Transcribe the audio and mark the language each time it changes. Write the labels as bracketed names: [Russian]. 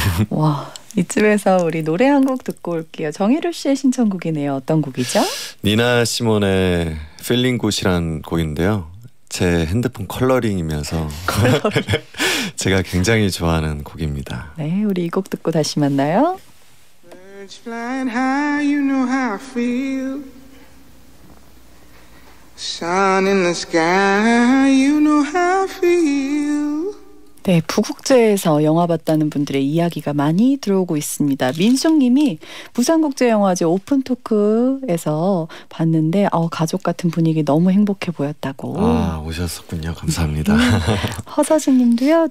[Korean] 와, 이쯤에서 우리 노래 한 곡 듣고 올게요. 정희루 씨의 신청곡이네요. 어떤 곡이죠? 니나 시몬의 필링 굿이란 곡인데요. 제 핸드폰 컬러링이면서 제가 굉장히 좋아하는 곡입니다. 네, 우리 이 곡 듣고 다시 만나요. [English] Birds flying high, you know how I feel. Sun in the sky, you know how I feel. [Korean] 네, 부국제에서 영화 봤다는 분들의 이야기가 많이 들어오고 있습니다. 민숙님이 부산국제영화제 오픈토크에서 봤는데 가족 같은 분위기 너무 행복해 보였다고. 아, 오셨었군요. 감사합니다. 허서진님도요.